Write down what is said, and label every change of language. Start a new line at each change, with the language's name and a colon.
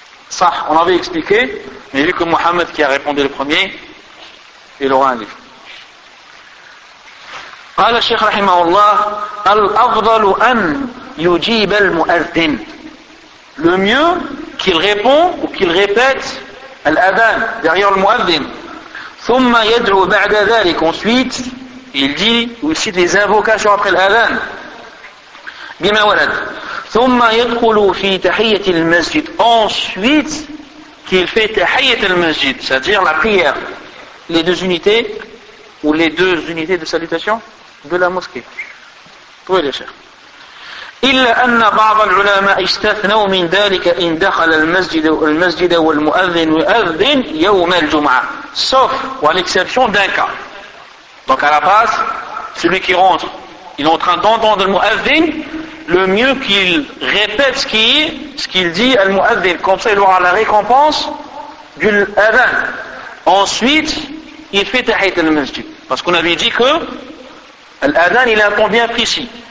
French: Ça, on avait expliqué, mais vu que Mohamed qui a répondu le premier, il aura un livre.
Arabic: قال الشيخ رحمه الله الأفضل أن يجيب المؤذن.
French: Le mieux qu'il répond ou qu'il répète الأذان derrière le مؤذن.
Arabic: ثم يدعو بعد ذلك,
French: ensuite il dit ou il cite les invocations après l'adhan. Bima walad.
Arabic: Thumma yadkhulu fi tahiyyat al-masjid.
French: Ensuite qu'il fait tahiyyat al-masjid, c'est-à-dire la prière, les deux unités ou les deux unités de salutation de la mosquée. Pouvez les faire.
Arabic: إلا أن بعض العلماء استثنوا من ذلك إن دخل المسجد والمؤذن يؤذن يوم الجمعة.
French: Sauf ou à l'exception d'un cas. Donc à la base, celui qui rentre, il est en train d'entendre le mu'adhin, le mieux qu'il répète ce qu'il dit à le mu'adhin. Comme ça, il aura la récompense du adhan. Ensuite, il fait tahiyyat al-masjid. Parce qu'on avait dit que l'adhan, il a un temps bien précis.